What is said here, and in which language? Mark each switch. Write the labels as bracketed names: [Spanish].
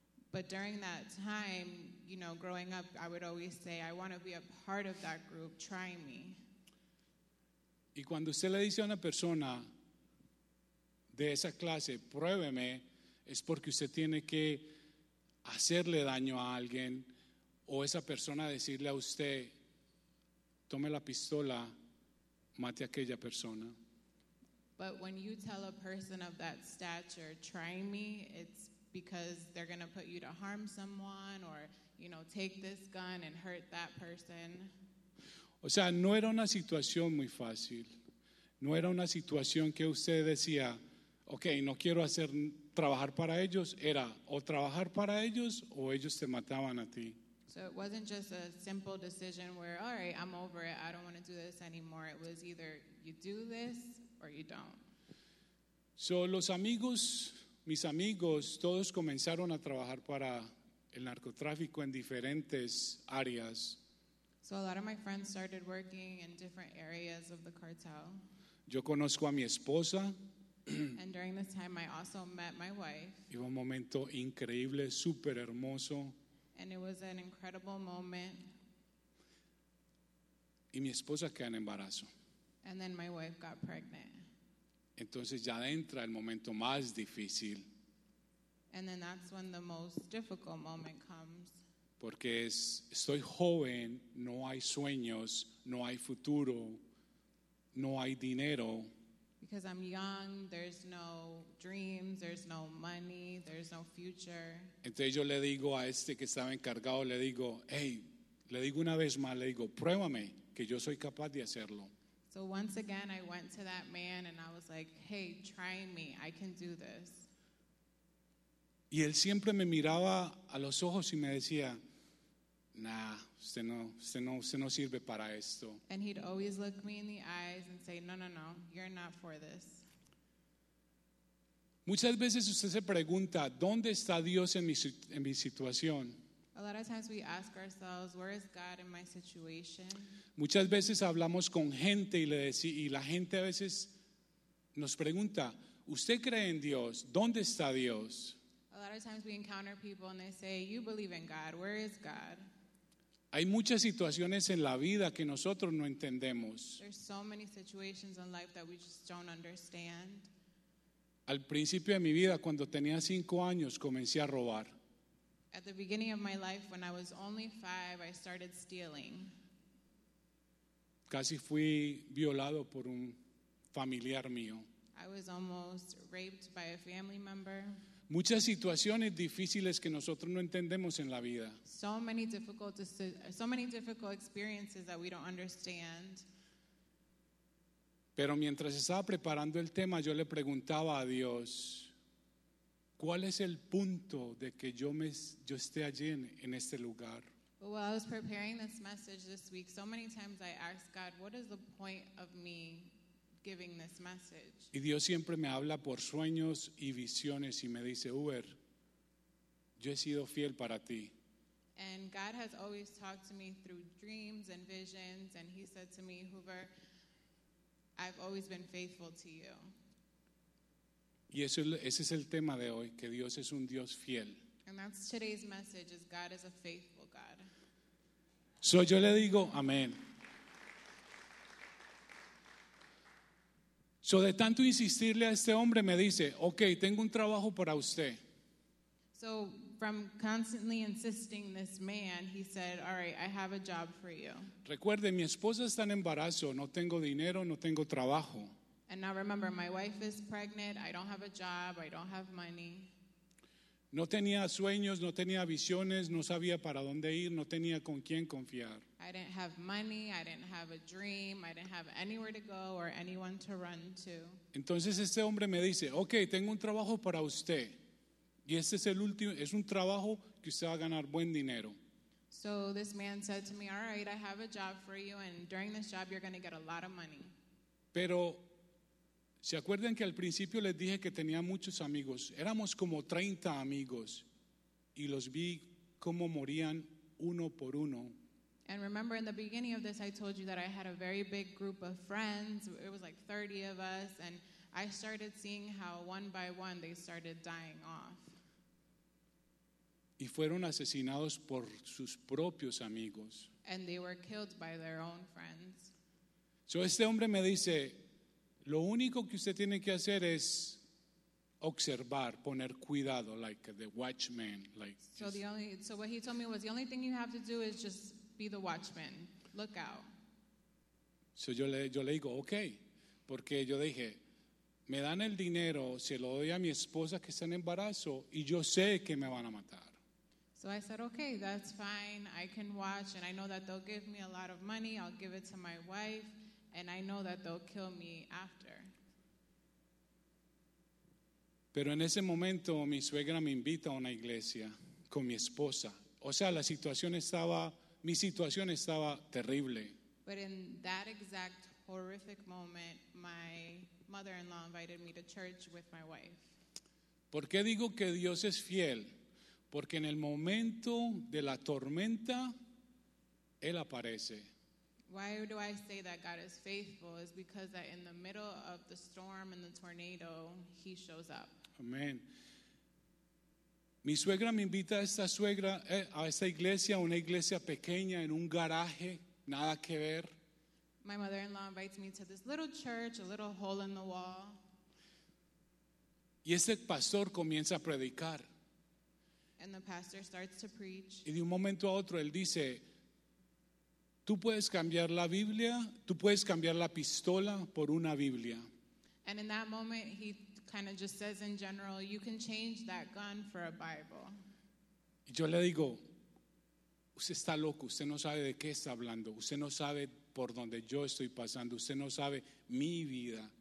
[English] But during that time, you know, growing up, I would always say, I want to be a part of that group, try me. [Spanish] Y cuando usted le dice a una persona de esa clase, pruébeme, es porque usted tiene que hacerle daño a alguien o esa persona decirle a usted, tome la pistola, mate a aquella persona. [English] But when you tell a person of that stature, try me, it's because they're going to put you to harm someone or, you know, take this gun and hurt that person. [Spanish] O sea, no era una situación muy fácil. No era una situación que usted decía, okay, no quiero hacer trabajar para ellos. Era o trabajar para ellos o ellos te mataban a ti. [English] So it wasn't just a simple decision where, all right, I'm over it. I don't want to do this anymore. It was either you do this or you don't. [Spanish] So los amigos... Mis amigos, todos comenzaron a trabajar para el narcotráfico en diferentes áreas. [English] So a lot of my friends started working in different areas of the cartel. [Spanish] Yo conozco a mi esposa. [English] And during this time I also met my wife. [Spanish] Y fue un momento increíble, súper hermoso. [English] And it was an incredible moment. [Spanish] Y mi esposa quedó en embarazo. [English] And then my wife got pregnant. [Spanish] Entonces ya entra el momento más difícil. [English] And then that's when the most difficult moment comes. [Spanish] Porque estoy joven, no hay sueños, no hay futuro, no hay dinero. [English] Because I'm young, there's no dreams, there's no money, there's no future. [Spanish] Entonces yo le digo a este que estaba encargado, le digo, hey, le digo una vez más, le digo, pruébame que yo soy capaz de hacerlo. [English] So once again, I went to that man and I was like, hey, try me, I can do this. [Spanish] Y él siempre me miraba a los ojos y me decía, nah, usted no sirve para esto. [English] And he'd always look me in the eyes and say, no, no, no, you're not for this. [Spanish] Muchas veces usted se pregunta, ¿dónde está Dios en mi situación? [English] A lot of times we ask ourselves, where is God in my situation? [Spanish] Muchas veces hablamos con gente y la gente a veces nos pregunta, ¿usted cree en Dios? ¿Dónde está Dios? [English] A lot of times we encounter people and they say, you believe in God, where is God? [Spanish] Hay muchas situaciones en la vida que nosotros no entendemos. [English] There's so many situations in life that we just don't understand. [Spanish] Al principio de mi vida, cuando tenía 5 años, comencé a robar. [English] At the beginning of my life, when I was only 5, I started stealing. [Spanish] Casi fui violado por un familiar mío. [English] I was almost raped by a family member. [Spanish] Muchas situaciones difíciles que nosotros no entendemos en la vida. [English] So many difficult experiences that we don't understand. [Spanish] Pero mientras estaba preparando el tema, yo le preguntaba a Dios, ¿Cuál es el punto de que yo esté allí en este lugar? [English] Well, while I was preparing this message this week, so many times I asked God, what is the point of me giving this message? [Spanish] Y Dios siempre me habla por sueños y visiones y me dice, Uber, yo he sido fiel para ti. [English] And God has always talked to me through dreams and visions, and he said to me, Hoover, I've always been faithful to you. [Spanish] Y eso, ese es el tema de hoy, que Dios es un Dios fiel. [English] And that's today's message, is God is a faithful God. [Spanish] So yo le digo, amén. So de tanto insistirle a este hombre, me dice, okay, tengo un trabajo para usted. [English] So from constantly insisting this man, he said, all right, I have a job for you. [Spanish] Recuerde, mi esposa está en embarazo, no tengo dinero, no tengo trabajo. [English] And now remember, my wife is pregnant, I don't have a job, I don't have money. [Spanish] No tenía sueños, no tenía visiones, no sabía para dónde ir, no tenía con quién confiar. [English] I didn't have money, I didn't have a dream, I didn't have anywhere to go or anyone to run to. [Spanish] Entonces este hombre me dice, okay, tengo un trabajo para usted. Y este es el último, es un trabajo que usted va a ganar buen dinero. [English] So this man said to me, all right, I have a job for you, and during this job you're going to get a lot of money. [Spanish] Pero, ¿se acuerdan que al principio les dije que tenía muchos amigos? Éramos como 30 amigos, y los vi cómo morían uno por uno. [English] And remember in the beginning of this I told you that I had a very big group of friends, it was like 30 of us, and I started seeing how one by one they started dying off. [Spanish] Y fueron asesinados por sus propios amigos. [English] And they were killed by their own friends. [Spanish] So este hombre me dice, lo único que usted tiene que hacer es observar, poner cuidado, [English] like the watchman. Like so, the only, so what he told me was, the only thing you have to do is just be the watchman, look out. [Spanish] So yo le digo, okay, porque yo dije, me dan el dinero, se lo doy a mi esposa que está en embarazo, y yo sé que me van a matar. [English] So I said, okay, that's fine, I can watch, and I know that they'll give me a lot of money, I'll give it to my wife, and I know that they'll kill me after. [Spanish] Pero en ese momento, mi suegra me invita a una iglesia con mi esposa. O sea, la situación estaba, mi situación estaba terrible. [English] But in that exact horrific moment, my mother-in-law invited me to church with my wife. [Spanish] ¿Por qué digo que Dios es fiel? Porque en el momento de la tormenta, Él aparece. [English] Why do I say that God is faithful? It's because that in the middle of the storm and the tornado, He shows up. Amen. [Spanish] Mi suegra me invita a esta suegra, a esta iglesia, una iglesia pequeña en un garaje, nada que ver. [English] My mother-in-law invites me to this little church, a little hole in the wall. [Spanish] Y ese pastor comienza a predicar. [English] And the pastor starts to preach. [Spanish] Y de un momento a otro, él dice, tú puedes cambiar la Biblia, tú puedes cambiar la pistola por una Biblia. [English] And in that moment, he kind of just says in general, you can change that gun for a Bible. [Spanish] Y yo le digo, usted está loco, usted no sabe de qué está hablando, usted no sabe por dónde yo estoy pasando, usted no sabe mi vida.